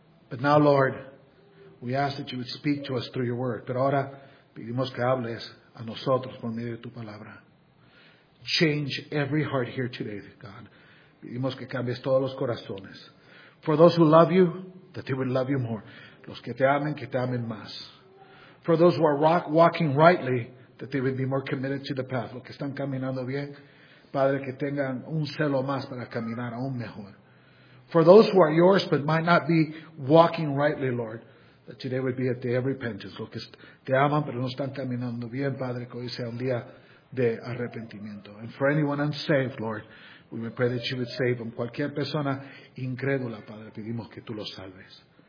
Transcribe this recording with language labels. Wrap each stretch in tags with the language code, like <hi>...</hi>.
<en>But now, Lord, we ask that you would speak to us through your word.</en> <es>Pero ahora pedimos que hables a nosotros por medio de tu palabra.</es> <en>Change every heart here today, God.</en> <es>Pedimos que cambies todos los corazones.</es> <en>For those who love you, that they would love you more.</en> <es>Los que te amen más.</es> <en>For those who are walking rightly, that they would be more committed to the path.</en> <es>Los que están caminando bien, Padre, que tengan un celo más para caminar aún mejor.</es> <en>For those who are yours but might not be walking rightly, Lord, that today would be a day of repentance.</en> <es>Los que te aman pero no están caminando bien, Padre, que hoy sea un día de arrepentimiento.</es> <en>And for anyone unsaved, Lord, we would pray that you would save them.</en> <es>Cualquier persona incrédula, Padre, pedimos que tú los salves.</es>